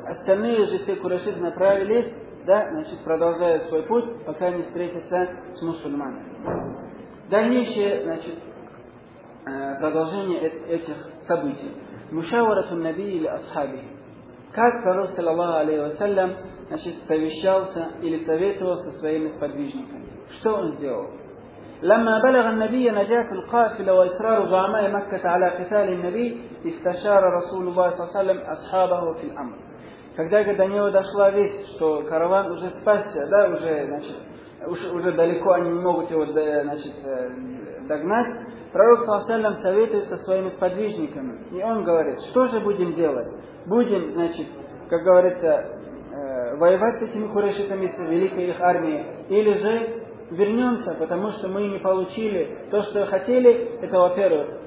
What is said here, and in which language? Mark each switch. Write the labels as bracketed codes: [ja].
[ru] Остальные же все курайшиты направились, да, значит, продолжают свой путь, пока не встретятся с мусульманами. Дальнейшее, значит, продолжение этих событий. [ar] Мушаварату наби или асхаби. [ru] Как пророк, саллаллаху алейхи ва саллям, значит, совещался или советовал со своими сподвижниками. Что он сделал? [ar] لما بلغ النبي نجاة القافلة وإصرار زعماء مكة على قتال النبي استشار رسول الله صلى الله عليه وسلم أصحابه في الأمر. [ru] Когда до него дошла весть, что караван уже спасся, да, уже, значит, уже далеко они не могут его, значит, догнать, пророк [ar] صلى الله عليه وسلم [ru] советуется со своими сподвижниками, и он говорит: что же будем делать? Будем, значит, как говорится, воевать с этими курайшитами, с великой их армией, или же вернемся, потому что мы не получили то, что хотели, это во-первых.